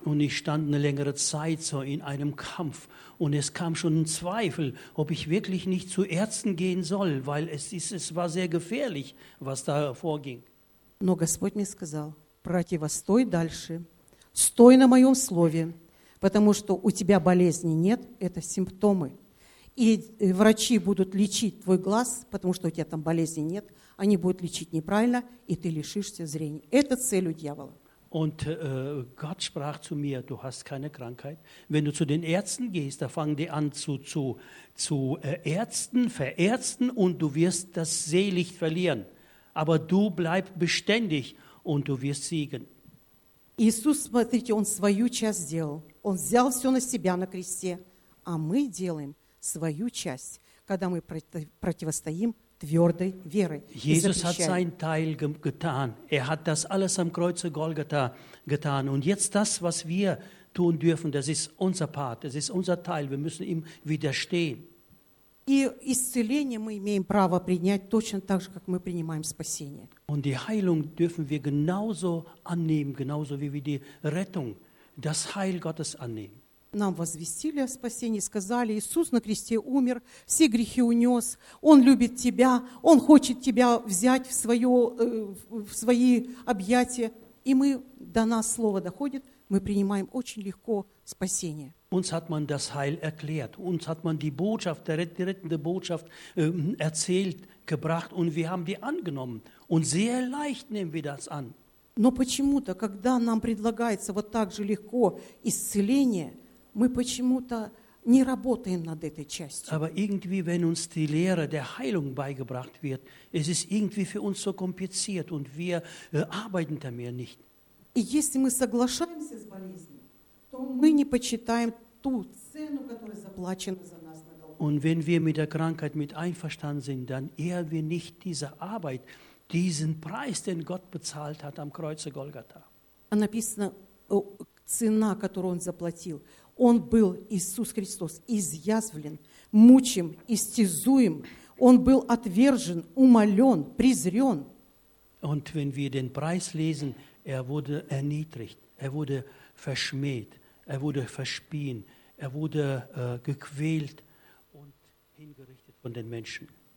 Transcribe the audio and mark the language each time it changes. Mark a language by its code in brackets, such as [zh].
[de] Und ich stand eine längere Zeit so in einem Kampf, und es kam schon ein Zweifel, ob ich wirklich nicht zu Ärzten gehen soll, weil es war sehr gefährlich, was da vorging. [ru] Но Господь мне сказал: противостой дальше. Стой на моем слове, потому что у тебя болезни нет, это симптомы. И врачи будут лечить твой глаз, потому что у тебя там болезни нет, они будут лечить неправильно, и ты лишишься зрения. Это цель у дьявола. [de] Und Gott sprach zu mir: Du hast keine Krankheit. Wenn du zu den Ärzten gehst, da fangen die an zu Ärzten, verärzten, und du wirst das Sehlicht verlieren. Aber du bleib beständig und du wirst siegen. [ru] Иисус, смотрите, Он свою часть сделал. Он взял все на себя на кресте. А мы делаем свою часть, когда мы противостоим твердой верой. [de] Jesus hat seinen Teil getan. Hat das alles am Kreuz Golgatha getan. Und jetzt das, was wir tun dürfen, das ist unser Part, das ist unser Teil. Wir müssen ihm widerstehen. [ru] И исцеление мы имеем право принять точно так же, как мы принимаем спасение. [de] Und die Heilung dürfen wir genauso annehmen, genauso wie wir die Rettung, das Heil Gottes annehmen. [ru] Нам возвестили о спасении, сказали: Иисус на кресте умер, все грехи унес, Он любит тебя, Он хочет тебя взять в свои объятия. И мы, до нас слово доходит, мы принимаем очень легко спасение. [de] Uns hat man das Heil erklärt. Uns hat man die Botschaft, die rettende Botschaft erzählt, gebracht, und wir haben die angenommen. Und sehr leicht nehmen wir das an. [ru] Но почему-то, когда нам предлагается вот так же легко исцеление, мы почему-то не работаем над этой частью. [de] Aber irgendwie, wenn uns die Lehre der Heilung beigebracht wird, es ist irgendwie für uns so kompliziert, und wir arbeiten damit nicht. [ru] И если мы соглашаемся с болезнью, мы не почитаем ту цену, которая заплачена за нас на Голгофе. [de] Und wenn wir mit der Krankheit mit einverstanden sind, dann ehren wir nicht diese Arbeit, diesen Preis, den Gott bezahlt hat am Kreuze Golgatha. [ru] Написано, цена, которую Он заплатил. Он был, Иисус Христос, изъязвлен, мучим, истязуем. Он был отвержен, умолен, презрен. [de] Und wenn wir den Preis lesen, wurde erniedrigt, wurde verschmäht, wurde verspien, wurde gequält und hingerichtet von den Menschen.